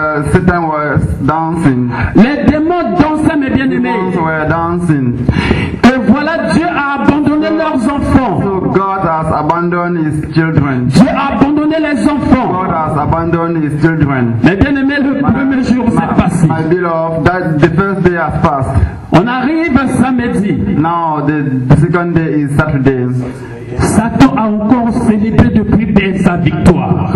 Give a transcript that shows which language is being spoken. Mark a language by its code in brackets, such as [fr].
[en] Satan was dancing. [fr] Les démons dansaient, mes bien-aimés. [en] Demons were dancing. [fr] Et voilà, Dieu a abandonné leurs enfants. [en] So God has abandoned his children. [fr] Dieu a abandonné les enfants. [en] God has abandoned his children. [fr] Mes bien-aimés, le premier jour s'est passé. [en] My beloved, that the first day has passed. [fr] On arrive samedi. [en] Now the second day is Saturday. [fr] Satan a encore célébré depuis bien sa victoire.